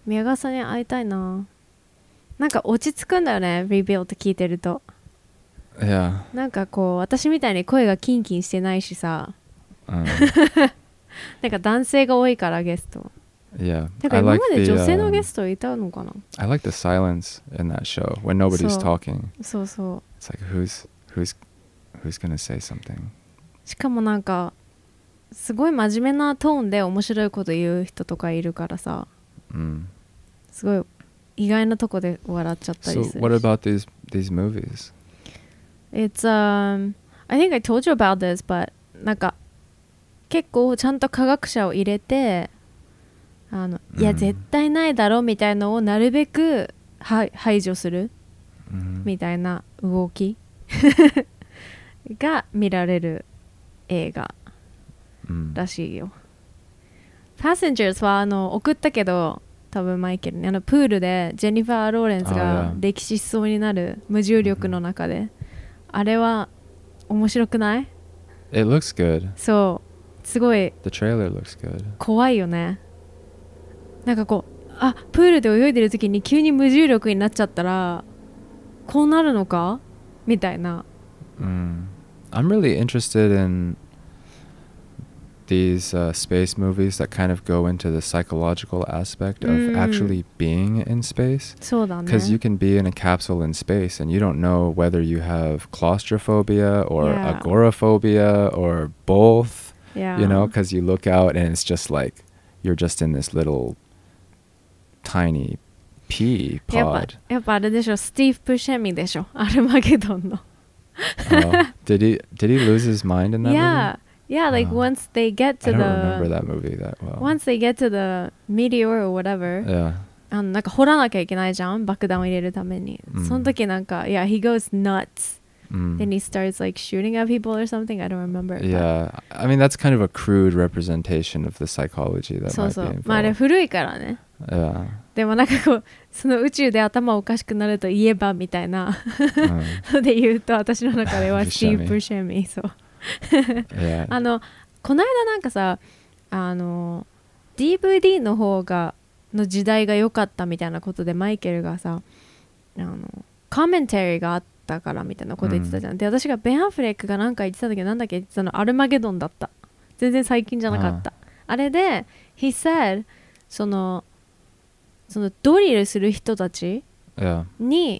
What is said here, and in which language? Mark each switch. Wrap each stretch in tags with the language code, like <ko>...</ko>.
<ja>宮川さんに会いたいな。なんか落ち着くんだよね、リビルって聞いてると。いや、なんかこう私みたいに声がキンキンしてないしさ、なんか男性が多いからゲスト。いや、</ja> <en>yeah.</en> <ja>今まで女性のゲストいたのかな。</ja> <en>I like the silence in that show when nobody's talking.</en> <ja>そうそう、</ja> <en>It's like who's gonna say something.</en> <ja>しかもなんかすごい真面目なトーンで面白いこと言う人とかいるからさ、すごい意外なとこで笑っちゃったりするし。</ja> <en>So what about these movies? It's I think I told you about this,</en> <ja>but なんか結構ちゃんと科学者を入れて、あの、いや絶対ないだろうみたいのをなるべく排除するみたいな動きが見られる映画。らしいよ。パッセンジャーズはあの送ったけど、多分マイケルね、あのプールでジェニファー・ローレンスが溺死しそうになる無重力の中で、あれは面白くない?</ja> <en>It looks good.</en> <ja>そう、すごい。</ja> <en>The trailer looks good.</en> <ja>怖いよね。なんかこう、あ、プールで泳いでる時に急に無重力になっちゃったらこうなるのかみたいな。</ja> <en>I'm really interested inThese space movies that kind of go into the psychological aspect of actually being in space.</en> <ja>そうだね。</ja> <en>Because you can be in a capsule in space and you don't know whether you have claustrophobia or agoraphobia or both. Yeah. You know, because you look out and it's just like you're just in this little tiny pea pod.</en> <ja>やっぱあれでしょ、スティーブ・ブシェミでしょ、アルマゲドンの。</ja> <en>Oh, did he lose his mind in that movie? Yeah, like once they get to the... I don't remember that movie that well. Once they get to the meteor or whatever. Yeah.</en> <ja>なんか掘らなきゃいけないじゃん、爆弾を入れるために。その時なんか、</ja> <en>yeah, he goes nuts. And he starts like shooting at people or something. I don't remember. Yeah. I mean, that's kind of a crude representation of the psychology that might be involved.</en> <ja>まあ、あれ古いからね。</ja> <en>Yeah.</en> <ja>でもなんかこう、その宇宙で頭おかしくなると言えばみたいな。で言うと、私の中ではSteve Buscemi、そう。</ja> <en>yeah.</en> <ja>あのこの間なんかさ、あの DVD の方がの時代が良かったみたいなことでマイケルがさ、あのコメンタリーがあったからみたいなこと言ってたじゃん、で私がベン・アフレックがなんか言ってたんだけど、なんだっけ、言ってたのアルマゲドンだった、全然最近じゃなかった、あれで</ja> <en>He said</en> <ja>そのドリルする人たちに、</ja>